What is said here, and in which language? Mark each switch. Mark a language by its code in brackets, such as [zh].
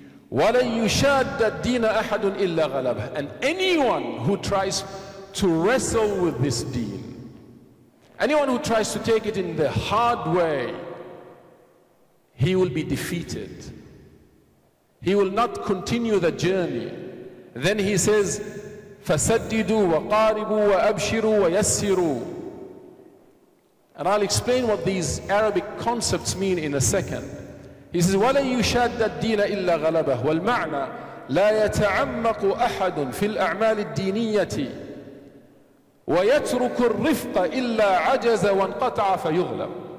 [ar] وَلَنْ يُشَادَّ الدِّينَ أَحَدٌ إِلَّا غَلَبَهُ, [en] and anyone who tries to wrestle with this deen, anyone who tries to take it in the hard way, he will be defeated. He will not continue the journey. Then he says, [ar] فَسَدِّدُوا وَقَارِبُوا وَأَبْشِرُوا وَيَسِّرُوا. [en] And I'll explain what these Arabic concepts mean in a second. He says, [ar] وَلَنْ يُشَادَّ الدِّينَ إِلَّا غَلَبَهُ, وَالْمَعْنَى لَا يَتَعَمَّقُ أَحَدٌ فِي الْأَعْمَالِ الدِّينِيَّةِ وَيَتْرُكُ الرِّفْقَ إِلَّا عَجَزَ وَانْقَطَعَ فَيُغْلَمُ.